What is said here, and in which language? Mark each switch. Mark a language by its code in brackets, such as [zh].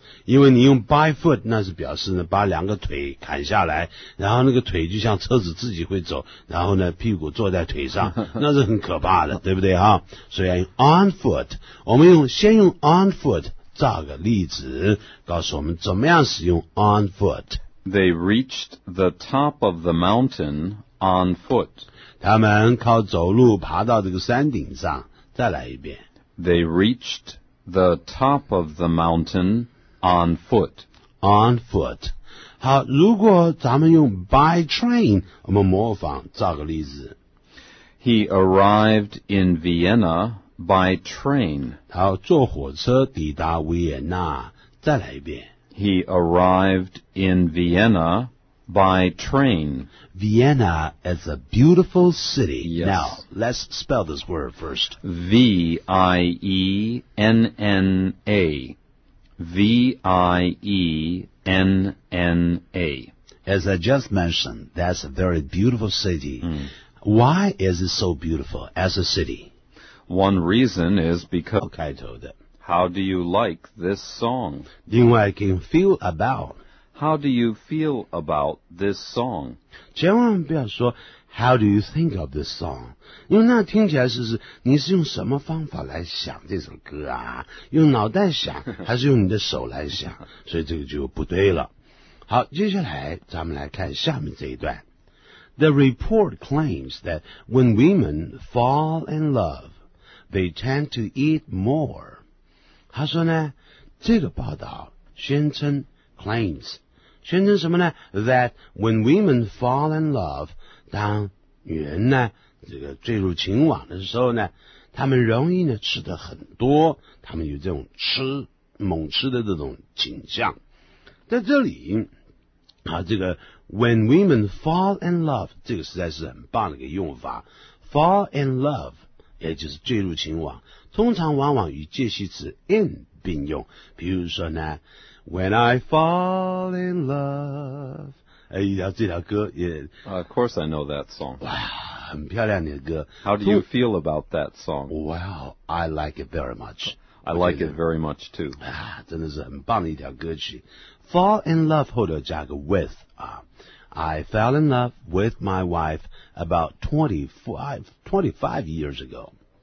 [zh] 因为你用 [en] by foot, [zh] 那是表示呢把两个腿砍下来然后那个腿就像车子自己会走然后呢屁股坐在腿上那是很可怕的对不对啊所以用 [en] on foot, [zh] 我们用先用 on foot, 造个例子告诉我们怎么样使用 on foot。 [en] They reached the top of the mountain,On foot. [zh] 他们靠走路爬到这个山顶上，再来一遍。 [en] They reached the top of the mountain on foot. On foot. [zh] 好，如果咱们用 [en] by train, [zh] 我们模仿，造个例子。 [en] He arrived in Vienna by train. [zh] 好，坐火车抵达维也纳，再来一遍。 [en] He arrived in Vienna By train. Vienna is a beautiful city. Yes. Now, let's spell this word first. V-I-E-N-N-A. V-I-E-N-N-A. As I just mentioned, that's a very beautiful city. Mm. Why is it so beautiful as a city? One reason is because... Okay, I told it. How do you like this song? [zh] 另外 [en] can feel about... How do you feel about this song? [zh] 千万不要说 [en] How do you think of this song? [zh] 因为那听起来是你是用什么方法来想这首歌啊？用脑袋想还是用你的手来想？所以这个就不对了。好，接下来咱们来看下面这一段。 [en] The report claims that when women fall in love, they tend to eat more. [zh] 他说呢，这个报道宣称 claims。宣称什么呢 ? [en] That when women fall in love, [zh] 当女人呢这个坠入情网的时候呢她们容易呢吃得很多她们有这种吃猛吃的这种倾向。在这里啊这个 [en] when women fall in love, [zh] 这个实在是很棒的一个用法。 [en] fall in love, [zh] 也就是坠入情网通常往往与介系词 in 并用比如说呢 [en] When I fall in love, [zh] 哎呀这条歌也、 [en] Of course I know that song. [zh] 哇很漂亮的歌。 [en] How do you feel about that song? Wow, I like it very much. I like it very much too.、 [zh] 啊、真的是很棒的一条歌曲。 [en] Fall in love [zh] 后头加个 [en] with,、啊、I fell in love with my wife about 25 years ago.